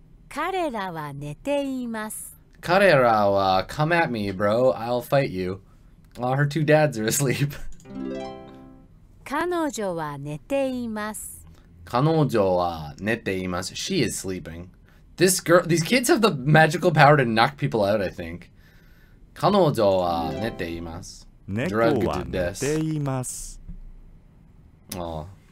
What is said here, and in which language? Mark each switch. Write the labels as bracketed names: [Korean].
[Japanese] 彼らは寝ています。彼らは [English] come at me, bro. I'll fight you. Oh, her two dads are asleep. [Japanese] 彼女は寝ています。彼女は寝ています。 [English] She is sleeping. This girl, these kids have the magical power to knock people out, I think. [Japanese] 彼女は寝ています。猫は寝ています。 [English] Oh,